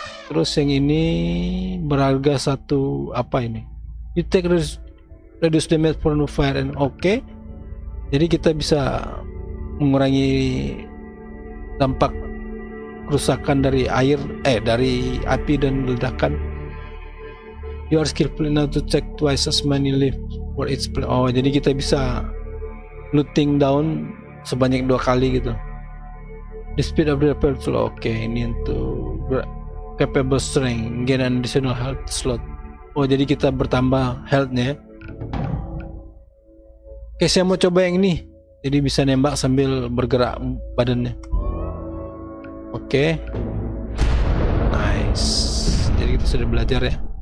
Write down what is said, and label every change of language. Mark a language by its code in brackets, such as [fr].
[id] Terus yang ini berharga satu apa ini? [en] You take reduce damage from fire and okay. [id] Jadi kita bisa mengurangi dampak kerusakan dari air, dari api dan ledakan. [en] You are skillful enough to check twice as many leaves for each plant. [id] Oh, jadi kita bisa looting down sebanyak dua kali gitu. [en] The speed of the repair. [id] Okay, ini untuk [en] capable strength, gain an additional health slot. [id] Oh, jadi kita bertambah healthnya. Oke, saya mau coba yang ini. Jadi bisa nembak sambil bergerak badannya. Oke. Nice. Jadi kita sudah belajar ya.